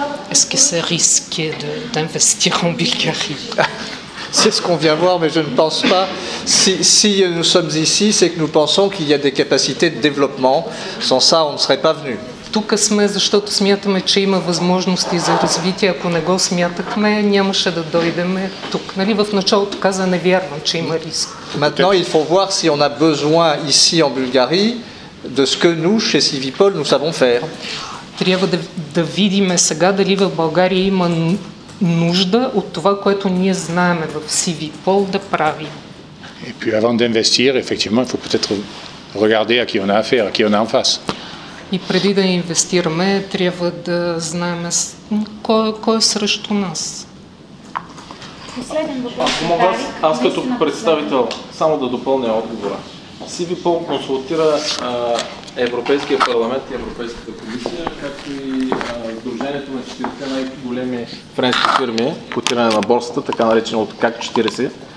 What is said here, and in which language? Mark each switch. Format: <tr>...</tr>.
<fr>Est-ce que c'est risqué d'investir en Bulgarie? C'est ce qu'on vient voir, mais je ne pense pas. Si nous sommes ici, c'est que nous pensons qu'il y a des capacités de développement. Sans ça, on ne serait pas venu.</fr> <bg>Тук сме, защото смятаме, че има възможности за развитие. Ако не го смятахме, нямаше да дойдем тук. Нали? В началото каза, не вярвам, че има риск.</bg> <fr>Maintenant, il faut voir si on a besoin ici en Bulgarie de ce que nous, chez Civipol, nous savons faire.</fr> <bg>Трябва да видим сега дали в България има нужда от това, което ние знаем в Civipol да правим.</bg> <fr>Et puis avant d'investir, effectivement, il faut peut-être regarder à qui on a affaire, à qui on a en face.</fr> <bg>И преди да инвестираме, трябва да знаем кой е срещу нас. Ако мога, аз като представител, само да допълня отговора. Civipol консултира Европейския парламент и Европейската комисия, както и сдружението на 4-те най-големи френски фирми, котиране на борсата, така наречено от CAC 40,</bg>